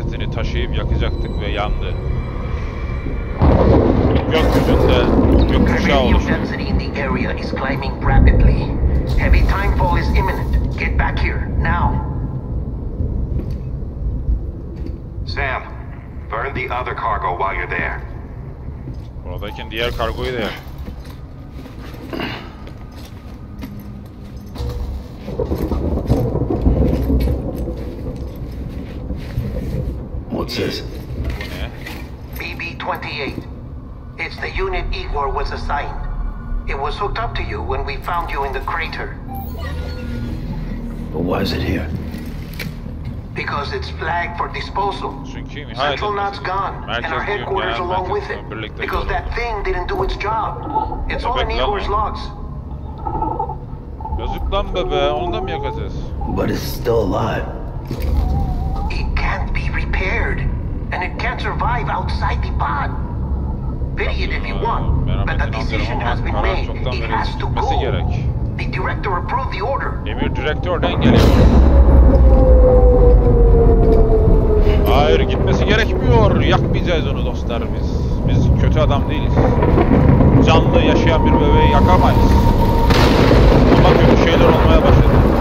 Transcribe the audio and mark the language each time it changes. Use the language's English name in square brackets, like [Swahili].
[Turkish] taşıyıp yakacaktık ve yandı. Gökyüzünde gökkuşağı oluştu. [English] Heavy density in the area is climbing rapidly. Heavy timefall is imminent. Get back here, now. Sam, burn the other cargo while you're there. [Turkish] Buradayken diğer kargoyu da yak. [English] What's this? BB-28. It's the unit Igor was assigned. It was hooked up to you when we found you in the crater. But why is it here? Because it's flagged for disposal. Central Knot's gone, and our headquarters along with it. Because that thing didn't do its job. It's all in Igor's logs. [Turkish] Yazık lan bebe, onu da mı yakacağız? [English] But it's still alive. It can't be repaired, and it can't survive outside the pod. Pity it if you want, but the decision has been made. It has to go. [Turkish] Gerek. [English] The director approved the order. [Turkish] Emir direktörden geliyor. Hayır, gitmesi gerekmiyor. Yakmayacağız onu dostlar biz. Biz kötü adam değiliz. Canlı yaşayan bir bebeği yakamayız. Ama kötü şeyler olmaya başladı.